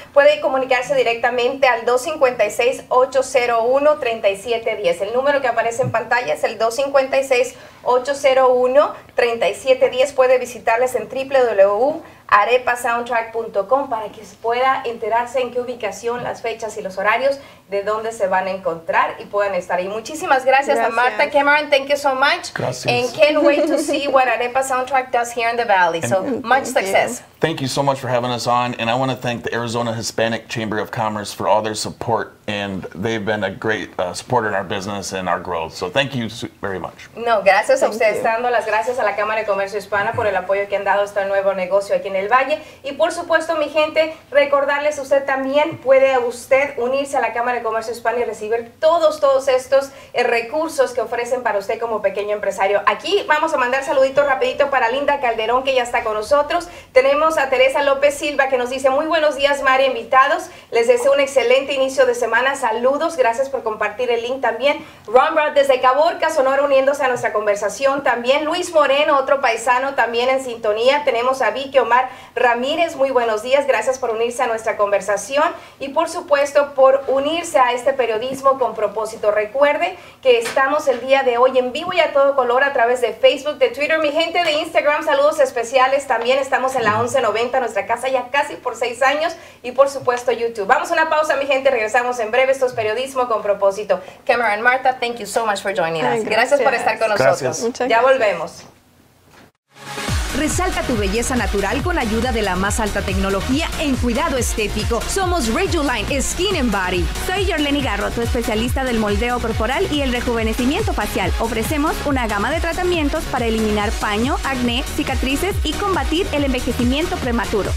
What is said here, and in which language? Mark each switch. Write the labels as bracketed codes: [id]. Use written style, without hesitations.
[es] Puede comunicarse directamente al 256-801-3710. El número que aparece en pantalla es el 256-801-3710. Puede visitarles en www.arepasoundtrack.com para que pueda enterarse en qué ubicación, las fechas y los horarios de dónde se van a encontrar y puedan estar ahí. Muchísimas gracias, gracias [en] a Marta Cameron. Thank you so much. [es] Gracias. [en] And can't wait to see what Arepa Soundtrack does here in the Valley. And so much success. Thank you so much for having us on. And I want to thank the Arizona Hispanic Chamber of Commerce for all their support. And they've been a great supporter in our business and our growth. So thank you very much. [es] No, gracias a ustedes. Dando las gracias a la Cámara de Comercio Hispana por el apoyo que han dado a este nuevo negocio aquí en el Valle. Y por supuesto, mi gente, recordarles, usted también puede usted unirse a la Cámara de Comercio Hispana y recibir todos estos recursos que ofrecen para usted como pequeño empresario. Aquí vamos a mandar saluditos rapidito para Linda Calderón, que ya está con nosotros. Tenemos a Teresa López Silva, que nos dice, muy buenos días, María, invitados. Les deseo un excelente inicio de semana. Saludos, gracias por compartir el link también. Ron Brad desde Caborca, Sonora, uniéndose a nuestra conversación. También Luis Moreno, otro paisano, también en sintonía. Tenemos a Vicky Omar Ramírez, muy buenos días, gracias por unirse a nuestra conversación. Y por supuesto, por unirse a este periodismo con propósito. Recuerde que estamos el día de hoy en vivo y a todo color a través de Facebook, de Twitter. Mi gente de Instagram, saludos especiales. También estamos en la 1190, nuestra casa ya casi por 6 años. Y por supuesto, YouTube. Vamos a una pausa, mi gente. Regresamos en breve. Esto es Periodismo con Propósito. [en] Cameron, Marta, thank you so much for joining us. [es] Gracias por estar con nosotros. Gracias. Ya volvemos. Resalta tu belleza natural con ayuda de la más alta tecnología en cuidado estético. Somos Rejuline Skin and Body. Soy Yorleni Garro, tu especialista del moldeo corporal y el rejuvenecimiento facial. Ofrecemos una gama de tratamientos para eliminar paño, acné, cicatrices y combatir el envejecimiento prematuro.